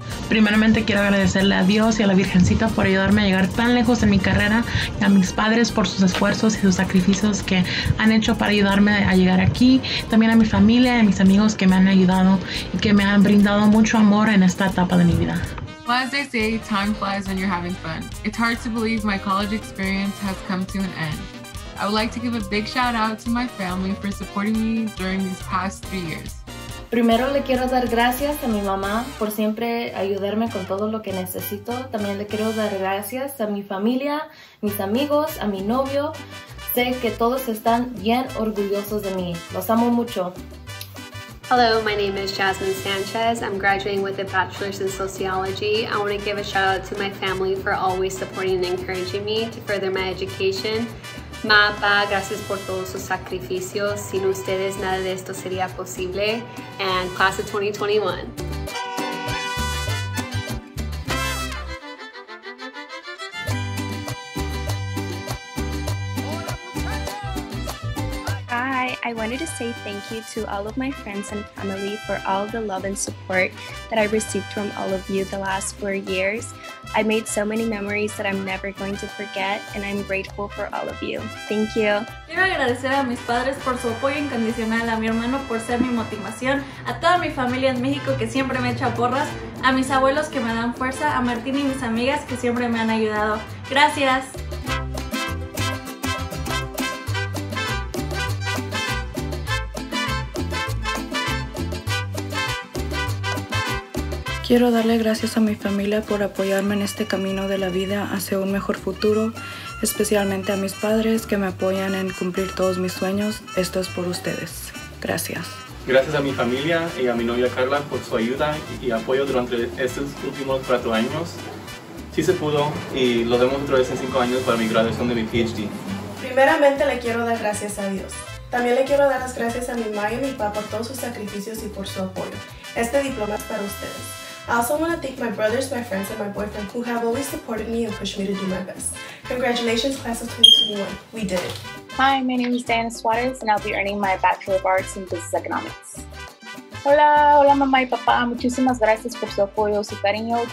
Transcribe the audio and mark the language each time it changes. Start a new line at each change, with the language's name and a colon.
Spanish: Primeramente quiero agradecerle a Dios y a la Virgencita por ayudarme a llegar tan lejos en mi carrera y a mis padres por sus esfuerzos y sus sacrificios que han hecho para ayudarme a llegar aquí. También a mi familia y a mis amigos que me han ayudado y que me han brindado mucho amor en esta etapa de mi vida.
English: Well, as they say, time flies when you're having fun. It's hard to believe my college experience has come to an end. I would like to give a big shout out to my family for supporting me during these past 3 years.
Spanish: Primero, le quiero dar gracias a mi mamá por siempre ayudarme con todo lo que necesito. También le quiero dar gracias a mi familia, mis amigos, a mi novio. Sé que todos están bien orgullosos de mí. Los amo mucho.
English: Hello, my name is Jasmine Sanchez. I'm graduating with a bachelor's in sociology. I want to give a shout out to my family for always supporting and encouraging me to further my education.
Spanish: Ma, pa, gracias por todos sus sacrificios. Sin ustedes, nada de esto sería posible.
English: And class of 2021. I wanted to say thank you to all of my friends and family for all the love and support that I received from all of you the last 4 years. I made so many memories that I'm never going to forget, and I'm grateful for all of you. Thank you.
Spanish: Quiero agradecer a mis padres por su apoyo incondicional, a mi hermano por ser mi motivación, a toda mi familia en México que siempre me echa porras, a mis abuelos que me dan fuerza, a Martín y mis amigas que siempre me han ayudado. Gracias. Quiero darle gracias a mi familia por apoyarme en este camino de la vida hacia un mejor futuro, especialmente a mis padres que me apoyan en cumplir todos mis sueños. Esto es por ustedes. Gracias. Gracias a mi familia y a mi novia Carla por su ayuda y apoyo durante estos últimos 4 años. Sí se pudo y lo vemos otra vez en 5 años para mi graduación de mi PhD. Primeramente le quiero dar gracias a Dios. También le quiero dar las gracias a mi mamá y mi papá por todos sus sacrificios y por su apoyo. Este diploma es para ustedes.
English: I also want to thank my brothers, my friends, and my boyfriend who have always supported me and pushed me to do my best. Congratulations, class of 2021. We did it. Hi, my name is Diana Suarez, and I'll be earning my Bachelor of Arts in Business Economics.
Spanish: Hola, hola, mamá y papá. Muchísimas gracias por su apoyo, su cariño.